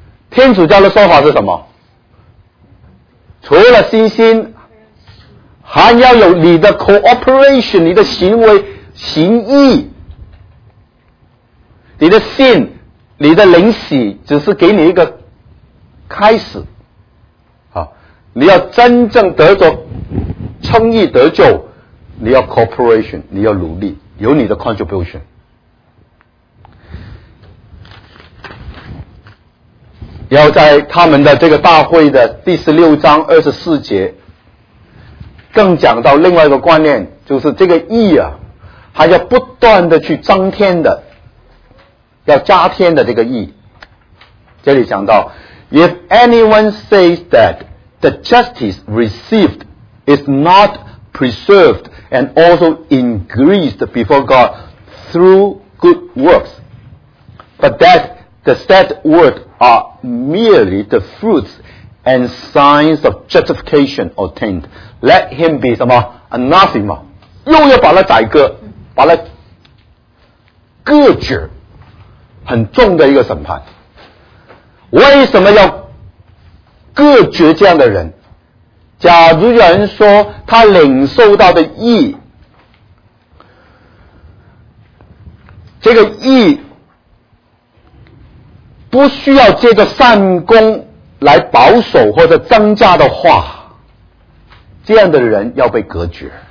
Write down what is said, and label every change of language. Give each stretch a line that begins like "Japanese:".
Chinese: 天主教的说法是什么？除了信心还要有你的 cooperation， 你的行为行义，你的信，你的灵洗只是给你一个开始，你要真正得着称义得救，你要 cooperation， 你要努力，有你的 contribution。要在他们的这个大会的第16章24节更讲到另外一个观念，就是这个义啊还要不断的去增添的，要加添的。这个义这里讲到
English: If anyone says that the justice received is not preserved and also increased before God through good works but that the said works are merely the fruits and signs of justification obtainedLet him be 什么 anathema，
Chinese: 又要把他宰割，把他割绝，很重的一个审判。为什么要割绝这样的人？假如有人说他领受到的义，这个义不需要借着善功来保守或者增加的话，这样的人要被隔绝。